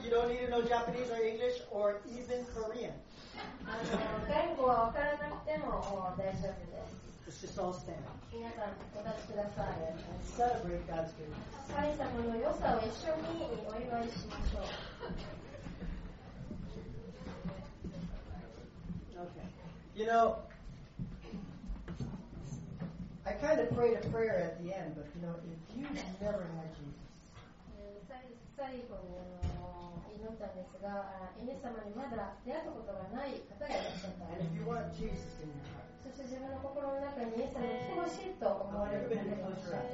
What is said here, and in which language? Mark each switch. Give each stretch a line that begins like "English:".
English: You don't need to know Japanese or English or even Korean.
Japanese: 言語はわからなくても大丈夫です。
English: Let's just all stand.
Japanese: 皆さん、お立ちください。
English: And celebrate God's goodness.
Japanese: 神様の良さを一緒にお祝いしましょう。
English: Okay. You know, I kind of prayed a prayer at the end, but you know, if you never had Jesus, and if you want Jesus in your heart,
Japanese: そして自分の心の中にイエス様が欲しいと思われる方がいます。